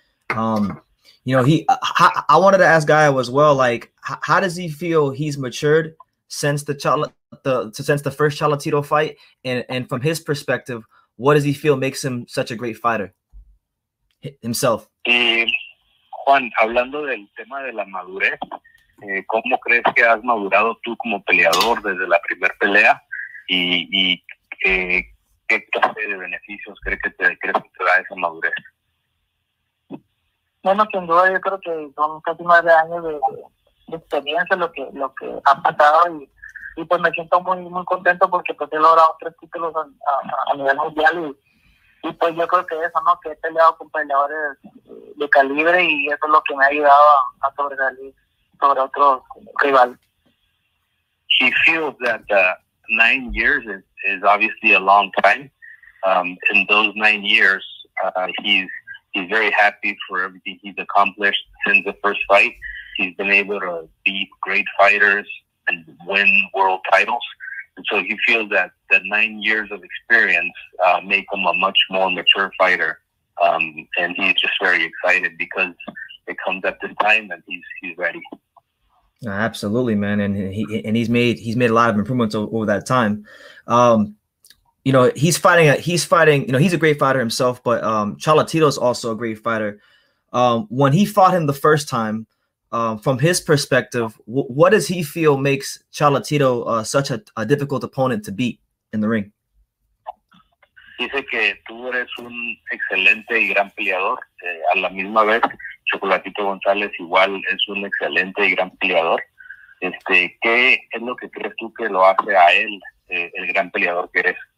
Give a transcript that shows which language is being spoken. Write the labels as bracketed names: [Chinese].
[English] You know, I wanted to ask Gallo as well, like, how does he feel he's matured since the first Chalatito fight? And from his perspective, what does he feel makes him such a great fighter himself? [Spanish] Juan, hablando del tema de la madurez, ¿cómo crees que has madurado tú como peleador desde la primera pelea? Y ¿qué clase de beneficios crees que te da esa madurez? Bueno, sin duda, yo creo que son casi 9 años de experiencia lo que ha pasado y pues me siento muy muy contento porque pues he logrado 3 títulos a nivel mundial y pues yo creo que eso, ¿no? Que he peleado con peleadores de calibre y eso es lo que me ha ayudado a sobresalir sobre otros rivales. [English] He feels that 9 years is obviously a long time. In those 9 years, he's very happy for everything he's accomplished since the first fight. He's been able to beat great fighters and win world titles. And so he feels that the 9 years of experience make him a much more mature fighter. And he's just very excited because it comes at this time and he's ready. Absolutely, man. And he's made a lot of improvements over that time. You know, he's a great fighter himself, but Chalatito's also a great fighter. When he fought him the first time, from his perspective, what does he feel makes Chalatito such a difficult opponent to beat in the ring? [Spanish] Dice que tú eres un excelente y gran peleador. A la misma vez, Chocolatito González igual es un excelente y gran peleador. ¿Qué es lo que crees tú que lo hace a él el gran peleador que eres?